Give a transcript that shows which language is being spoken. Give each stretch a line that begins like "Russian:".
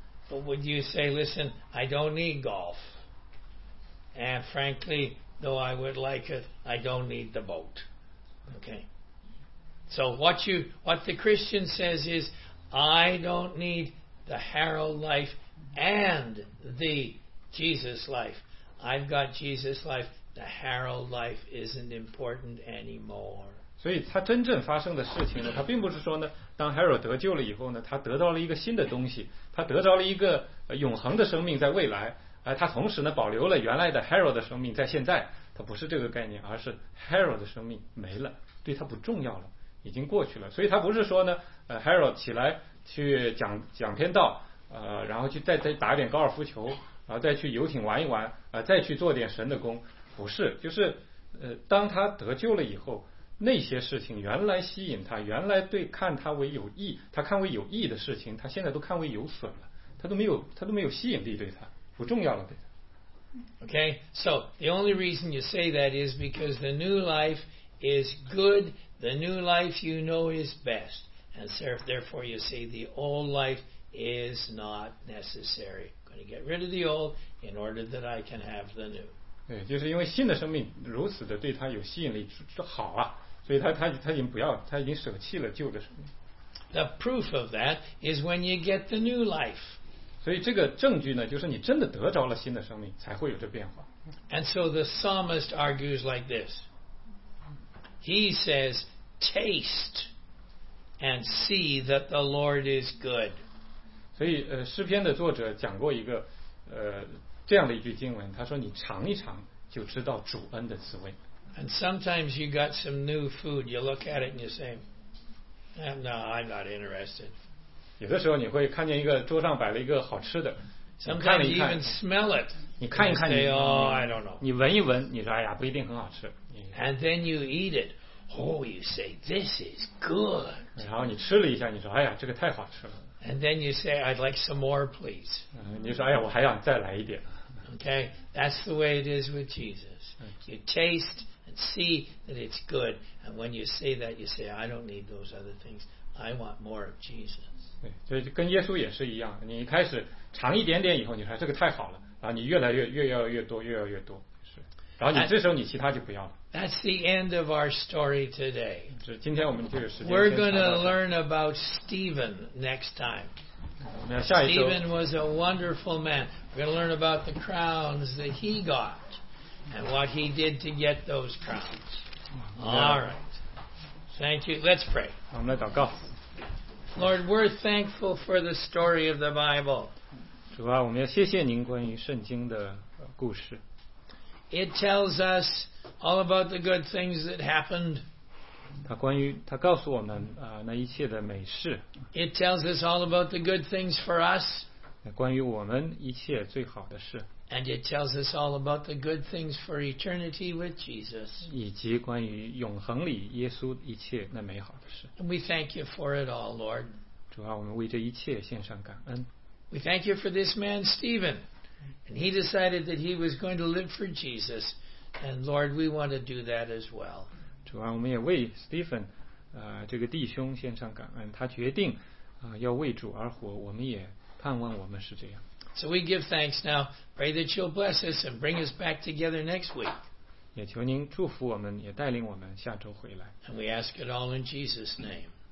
English: But would you say, listen, I don't need golf. And frankly, though I would like it, I don't need the boat. Okay. So what the Christian says is, I don't need the Harold life and the Jesus life. I've got Jesus' life, the Harold life isn't important anymore.
Chinese: 所以他真正发生的事情呢，他并不是说呢，当 Harold 得救了以后呢，他得到了一个新的东西，他得到了一个永恒的生命在未来，他同时呢保留了原来的 Harold 的生命在现在，他不是这个概念，而是 Harold 的生命没了，对他不重要了。已经过去了，所以他不是说呢，Harold 起来去讲篇道，然后去再打点高尔夫球，然后再去游艇玩一玩，再去做点神的工，不是，就是，当他得救了以后，那些事情原来吸引他，原来对看他为有益，他看为有益的事情，他现在都看为有损了，他都没有吸引力，对他不重要了，对他。
English: Okay, so the only reason you say that is because the new life is good. The new life you know is best, and therefore you see the old life is not necessary. I'm going to get rid of the old in order that I can have the new.
Chinese: 对，就是因为新的生命如此的对他有吸引力，好啊，所以他已经不要，他已经舍弃了旧的生命。
English: The proof of that is when you get the new life.
Chinese: 所以这个证据呢，就是你真的得着了新的生命，才会有这变化。
English: And so the psalmist argues like this. He says, taste and see that the Lord is good.
Chinese: 所以诗篇的作者讲过一个这样的一句经文，他说你尝一尝就知道主恩的滋味。
English: And sometimes you got some new food, you look at it and you say, no, I'm not interested.
Chinese: 有的时候你会看见一个桌上摆了一个好吃的。
English: Sometimes you even smell it.
Chinese: 你看一看
English: say, oh, I don't know.
Chinese: 你闻一闻你说哎呀不一定很好吃。
English: And then you eat it. Oh, you say, this is good.
Chinese: 然后你吃了一下你说哎呀这个太好吃了。
English: And then you say, I'd like some more, please.
Chinese: 你说哎呀我还想再来一点。
English: Okay, that's the way it is with Jesus. You taste and see that it's good. And when you say that, you say, I don't need those other things. I want more of Jesus.
Chinese: 对，就跟耶稣也是一样，你一开始尝一点点以后，你说这个太好了，然后你越来越要越多，越要越多，是，然后你这时候你其他就不要了。
English: That's the end of our story today.
Chinese: 今天我们就有时间。
English: We're going to learn about Stephen next time.
Chinese: 那下一周。
English: Stephen was a wonderful man. We're going to learn about the crowns that he got and what he did to get those crowns. All right. Thank you. Let's pray.
Chinese: 我们来祷告。
English: Lord, we're thankful for the story of the Bible.
Chinese: 主啊，我们要谢谢您关于圣经的故事。
English: It tells us all about the good things that happened.
Chinese: 它告诉我们那一切的美事。
English: It tells us all about the good things for us.
Chinese: 关于我们一切最好的事。
English: And it tells us all about the good things for eternity with Jesus.
Chinese: 以及关于永恒里耶稣一切那美好的事。
English: And we thank you for it all, Lord.
Chinese: 主啊，我们为这一切献上感恩。
English: We thank you for this man, Stephen. And he decided that he was going to live for Jesus. And Lord, we want to do that as well.
Chinese: 主啊，我们也为 Stephen, 这个弟兄献上感恩。他决定要为主而活，我们也盼望我们是这样。
English: So we give thanks now. Pray that you'll bless us and bring us back together next week.
Chinese: 也求您祝福我们，也带领我们下周回来。
English: And we ask it all in Jesus' name.